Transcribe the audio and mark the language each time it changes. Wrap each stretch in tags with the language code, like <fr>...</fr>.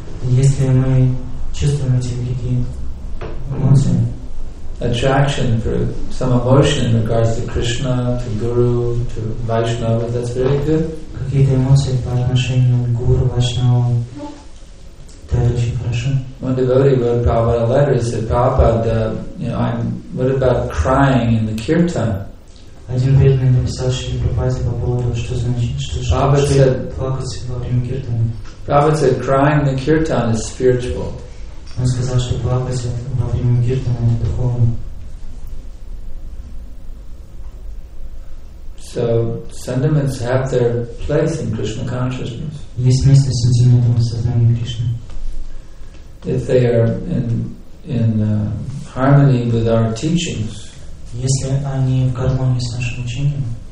<ru>Если мы чувствуем эти великие эмоции,</ru> <en>attraction for some emotion in regards to Krishna, to Guru, to Vaishnava, that's very good.</en> <ru>Какие-то эмоции по отношению к Гуру, Вайшнава, это очень хорошо.</ru> <en>One devotee wrote Prabhupada a letter. He said, Prabhupada, what about crying in the kirtan?</en> <ru>Один преданный написал Шри Прабхупаде по поводу, что значит, что плакать во время киртана.</ru> <en>Prabhupada said, crying in the kirtan is spiritual.</en> <ru>Он сказал, что плакать во время киртана это духовно.</ru> <en>So sentiments have their place in Krishna consciousness.</en> <ru>Есть место сентиментам в сознании Кришны.</ru> <en>If they are in harmony with our teachings,</en> <ru>если они в гармонии с нашим учением,</ru>